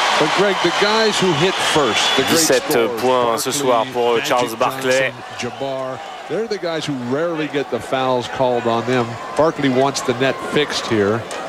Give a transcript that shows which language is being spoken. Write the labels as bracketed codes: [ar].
[en] But Greg, the guys who hit first, the [fr] 17 points ce soir pour Charles Barclay. [en] They're the guys who rarely get the fouls called on them. Barclay wants the net fixed here.